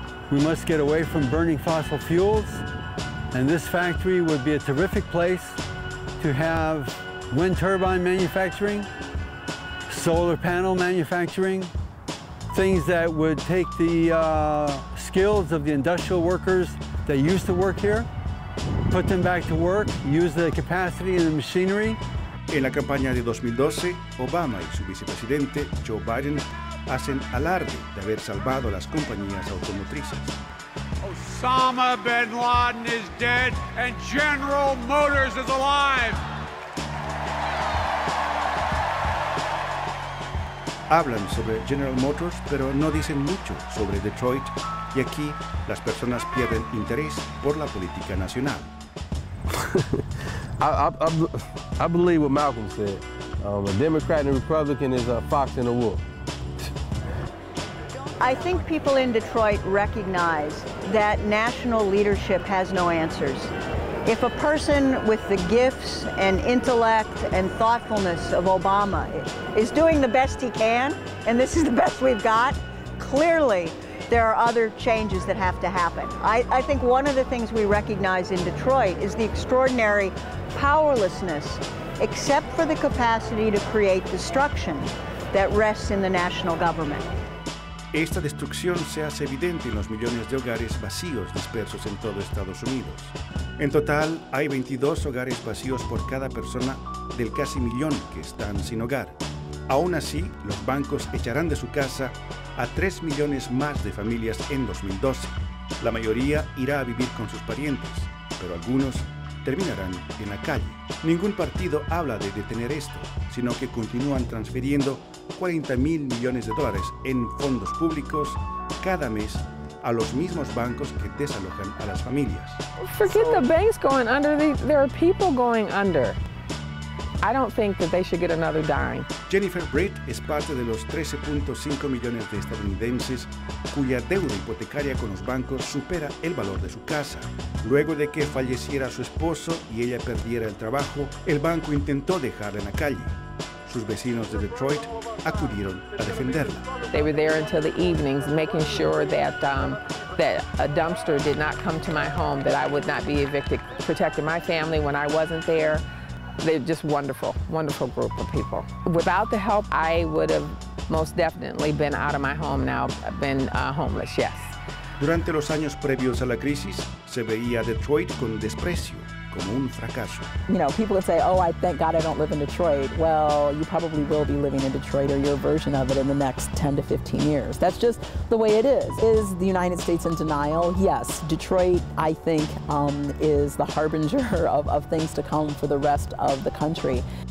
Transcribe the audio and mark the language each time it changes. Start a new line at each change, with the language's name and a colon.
English: We must get away from burning fossil fuels, and this factory would be a terrific place to have wind turbine manufacturing, solar panel manufacturing, things that would take the skills of the industrial workers that used to work here, put them back to work, use the capacity and the machinery.
Spanish: En la campaña de 2012, Obama y su vicepresidente, Joe Biden, hacen alarde de haber salvado a las compañías automotrices.
English: Osama bin Laden is dead and General Motors is alive.
Spanish: Hablan sobre General Motors, pero no dicen mucho sobre Detroit, y aquí las personas pierden interés por la política nacional.
English: I believe what Malcolm said. A Democrat and a Republican is a fox and a wolf. I think people in Detroit recognize that national leadership has no answers. If a person with the gifts and intellect and thoughtfulness of Obama is doing the best he can, and this is the best we've got, clearly there are other changes that have to happen. I think one of the things we recognize in Detroit is the extraordinary powerlessness, except for the capacity to create destruction, that rests in the national government.
Spanish: Esta destrucción se hace evidente en los millones de hogares vacíos dispersos en todo Estados Unidos. En total, hay 22 hogares vacíos por cada persona del casi millón que están sin hogar. Aún así, los bancos echarán de su casa a 3 millones más de familias en 2012. La mayoría irá a vivir con sus parientes, pero algunos terminarán en la calle. Ningún partido habla de detener esto, sino que continúan transfiriendo 40 mil millones de dólares en fondos públicos cada mes a los mismos bancos que desalojan a las familias.
English: Forget the banks going under. There are people going under. I don't think that they should get another dime.
Spanish: Jennifer Britt es parte de los 13.5 millones de estadounidenses cuya deuda hipotecaria con los bancos supera el valor de su casa. Luego de que falleciera su esposo y ella perdiera el trabajo, el banco intentó dejarla en la calle. Sus vecinos de Detroit acudieron a defenderla.
English: They were there until the evenings, making sure that that a dumpster did not come to my home, that I would not be evicted, protecting my family when I wasn't there. They're just wonderful, wonderful group of people. Without the help, I would have most definitely been out of my home now, been homeless, yes.
Spanish: Durante los años previos a la crisis, se veía Detroit con desprecio, como un fracaso.
English: You know, people would say, oh, I thank God I don't live in Detroit. Well, you probably will be living in Detroit or your version of it in the next 10 to 15 years. That's just the way it is. Is the United States in denial? Yes. Detroit, I think, is the harbinger of things to come for the rest of the country.